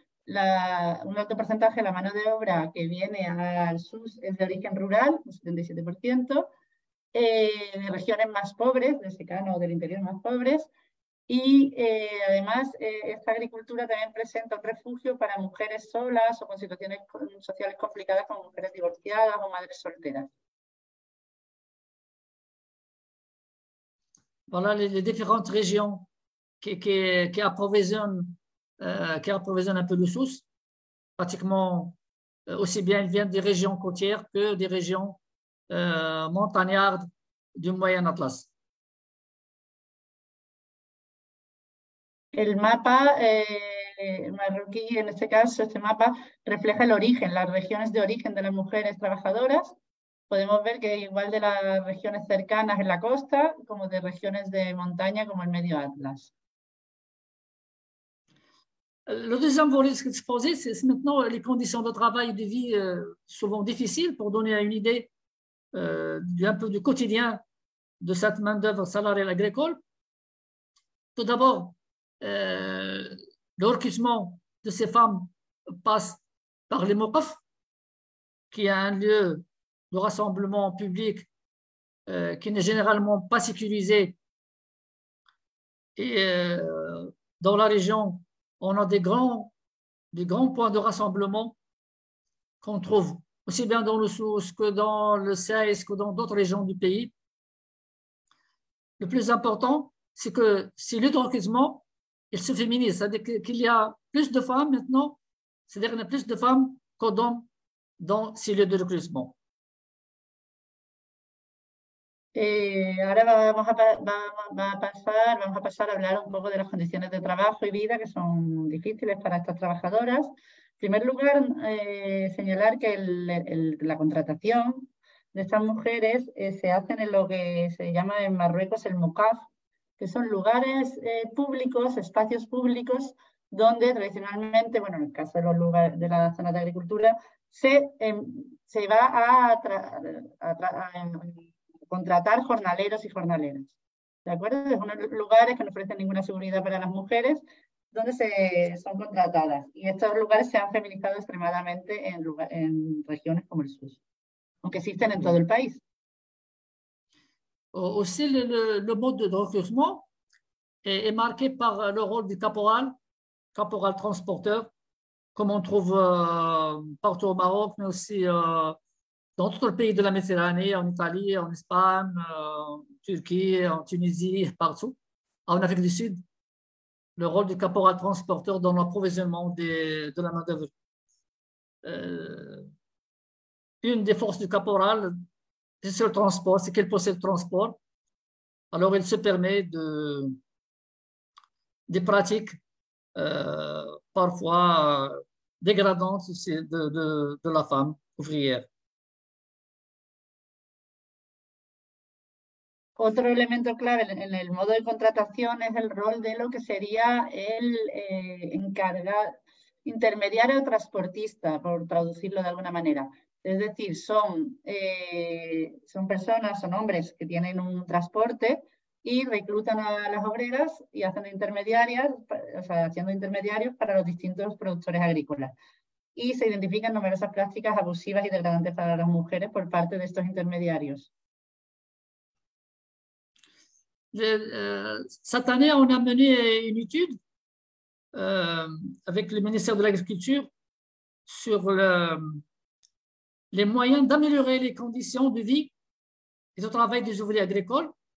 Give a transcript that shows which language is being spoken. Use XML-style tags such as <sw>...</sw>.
<es>Un alto porcentaje de la mano de obra que viene al sur es de origen rural, un 77%, de regiones más pobres, de secano o del interior más pobres, Y además, esta agricultura también presenta un refugio para mujeres solas o con situaciones sociales complicadas, como mujeres divorciadas o madres solteras.</es> <fr>Voilà les différentes régions qui approvisionnent un peu de sources. Pratiquement, aussi bien ils viennent des régions côtières que des régions montagnardes du Moyen-Atlas.</fr> <es>El mapa marroquí, en este caso, este mapa refleja el origen, las regiones de origen de las mujeres trabajadoras. Podemos ver que igual de las regiones cercanas en la costa, como de regiones de montaña, como el Medio Atlas.</es> <fr>Le deuxième volet que se pose, c'est maintenant les conditions de travail et de vie souvent difficiles pour donner une idée un peu du quotidien de cette main-d'œuvre salariale agricole. Tout d'abord, le recrutement de ces femmes passe par les Mokaf, qui est un lieu de rassemblement public qui n'est généralement pas sécurisé. Et dans la région, on a des grands points de rassemblement qu'on trouve aussi bien dans le Sousse que dans le Seix que dans d'autres régions du pays. Le plus important, c'est que si le recrutement il se féminise, c'est-à-dire qu'il y a plus de femmes maintenant, c'est-à-dire qu'il y a plus de femmes qu'on donne dans ces lieux de recrutement.</fr> <es>Ahora vamos a pasar a hablar un poco de las condiciones de trabajo y vida que son difíciles para estas trabajadoras. En primer lugar, señalar que la contratación de estas mujeres se hace en lo que se llama en Marruecos el Mokaf, que son lugares públicos, espacios públicos, donde tradicionalmente, bueno, en el caso de los lugares de las zonas de agricultura, se va a contratar jornaleros y jornaleras, ¿de acuerdo? Es unos lugares que no ofrecen ninguna seguridad para las mujeres, donde son contratadas. Y estos lugares se han feminizado extremadamente en regiones como el sur, aunque existen en todo el país.</es> <fr>Aussi, le mode de recrutement est marqué par le rôle du caporal transporteur, comme on trouve partout au Maroc, mais aussi dans tout le pays de la Méditerranée, en Italie, en Espagne, en Turquie, en Tunisie, partout. En Afrique du Sud, le rôle du caporal transporteur dans l'approvisionnement de la main-d'œuvre. Une des forces du caporal, c'est le transport, c'est qu'elle possède le transport. Alors, elle se permet des pratiques parfois dégradantes de la femme ouvrière.</fr> <es>Otro elemento clave en el modo de contratación es el rol de lo que sería el encargado, intermediario transportista, por traducirlo de alguna manera. Es decir, son personas, son hombres que tienen un transporte y reclutan a las obreras y hacen intermediarias, o sea, haciendo intermediarios para los distintos productores agrícolas. Y se identifican numerosas prácticas abusivas y degradantes para las mujeres por parte de estos intermediarios.</es> <fr>Cette année, on a mené une étude avec le ministère de l'Agriculture sur les moyens d'améliorer les conditions de vie et de travail des ouvriers agricoles.</fr>